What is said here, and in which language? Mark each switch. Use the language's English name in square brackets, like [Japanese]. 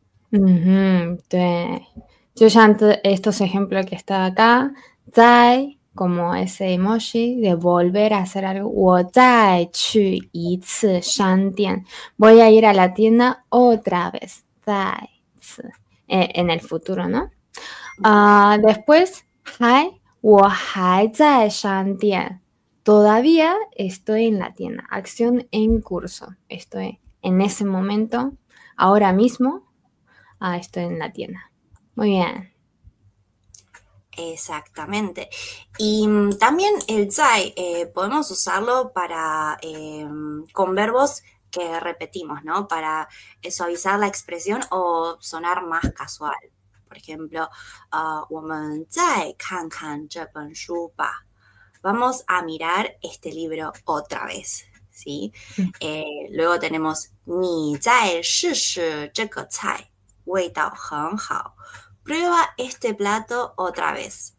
[Spanish] Yo ya estos ejemplos que están acá, zai, como ese emoji de volver a hacer algo. [Chinese] 我再去一次商店. [Spanish] Voy a ir a la tienda otra vez. 再次.En el futuro, ¿no? Después, [Chinese] 我还在商店. [Spanish] Todavía estoy en la tienda. Acción en curso. Estoy en ese momento, ahora mismo, estoy en la tienda. Muy bien. Exactamente. Y también el zai podemos usarlo para con verbos que repetimos, ¿no? Para suavizar la expresión o sonar más casual. Por ejemplo, [Chinese] 我们再看看这本书吧. [Spanish] Vamos a mirar este libro otra vez, ¿sí? Luego tenemos [Chinese] 你再试试这个菜，味道很好. [Spanish] Prueba este plato otra vez.